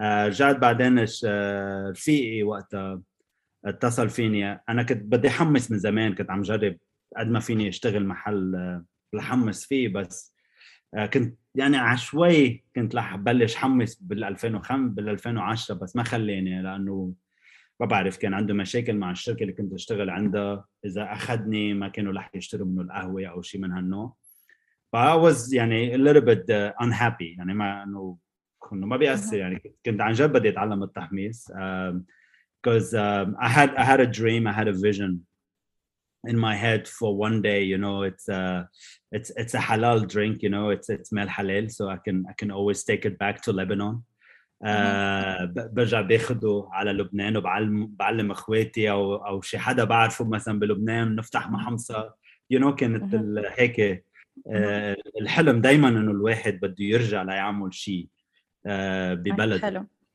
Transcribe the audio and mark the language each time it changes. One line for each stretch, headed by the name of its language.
Arabic: جات بعدين رفيقي وقتها اتصل فيني، أنا كنت بدي حمص من زمان، كنت عم جرب قد ما فيني اشتغل محل لحمص فيه، بس كنت يعني عشوائي كنت لح بلش حمس بال2010 بس ما خليني لأنه ما بعرف كان عنده مشاكل مع الشركة اللي كنت أشتغل عندها، إذا أخذني ما كانوا لح يشتروا منه القهوة أو شيء من هالنوع. فأنا
English: was يعني a little bit unhappy
Arabic: يعني ما إنه كنه ما بيأثر يعني كنت عن جد بدي أتعلم التحميس
English: because I had a dream, I had a vision in my head for one day, you know, it's a halal drink, you know, it's mel halal, so I can always take it back to Lebanon.
Arabic: برجع باخده على لبنان وبعلم اخواتي او شي حدا بعرفه مثلا بلبنان نفتح محمصة،
English: you know.
Arabic: كانت هيك الحلم دايما انه الواحد بده يرجع ليعمل شي ببلد.